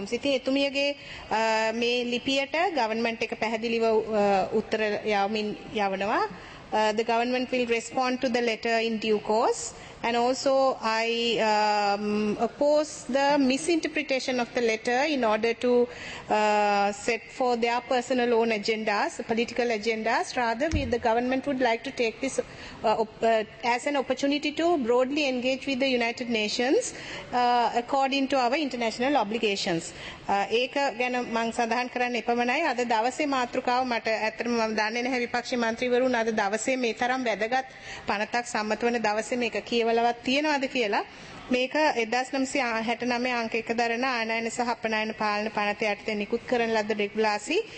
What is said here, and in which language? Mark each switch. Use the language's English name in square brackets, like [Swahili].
[Sinhala] ඉතින් එතුමියගේ මේ ලිපියට ගවර්න්මන්ට් එක පැහැදිලිව උත්තර යවමින් යවනවා. [English] The government will respond to the letter in due course. And also, I oppose the misinterpretation of the letter in order to set for their personal own agendas, political agendas. Rather, the government would like to take this as an opportunity to broadly engage with the United Nations according to our international obligations. [Sinhala] ඒක ගැන මං සඳහන් කරන්න එපමණයි. අද දවසේ මාතෘකාව මට ඇත්තටම මම දන්නේ නැහැ විපක්ෂී මන්ත්‍රීවරුන් අද දවසේ මේ තරම් වැදගත් පනතක් සම්මත වන දවසේ මේක කියවලවත් තියෙනවද කියලා. මේක 1969 අංක 1 දරන ආනයන සහ අපනයන පාලන පනත යටතේ නිකුත් කරන ලද රෙගුලාසි.